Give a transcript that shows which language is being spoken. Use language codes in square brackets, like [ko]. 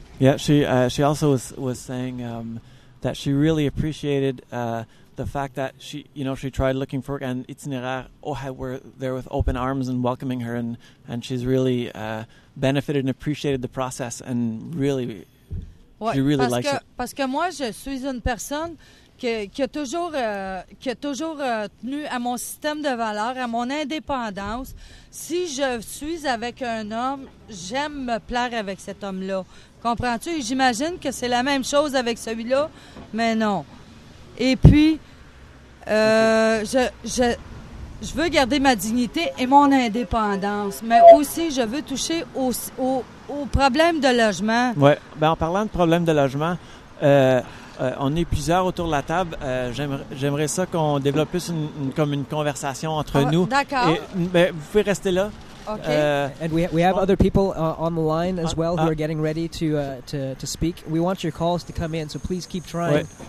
[en] Yeah, she also was saying that she really appreciated the fact that she tried looking for work, and Itinéraire were there with open arms and welcoming her, and she's really benefited and appreciated the process, and really, [fr] ouais, [en] she really [fr] parce [en] likes [fr] que, [en] it. [fr] Parce que moi, je suis une personne qui a toujours tenu à mon système de valeurs, à mon indépendance. Si je suis avec un homme, j'aime me plaire avec cet homme-là. Comprends-tu? Et j'imagine que c'est la même chose avec celui-là, mais non. Et puis, je veux garder ma dignité et mon indépendance, mais aussi je veux toucher au problème de logement. Oui. Ben, en parlant de problème de logement, on est plusieurs autour de la table. J'aimerais ça qu'on développe plus une conversation entre nous. D'accord. Et, ben, vous pouvez rester là. [en] Okay. And we have other people on the line as well who are getting ready to speak. We want your calls to come in, so please keep trying.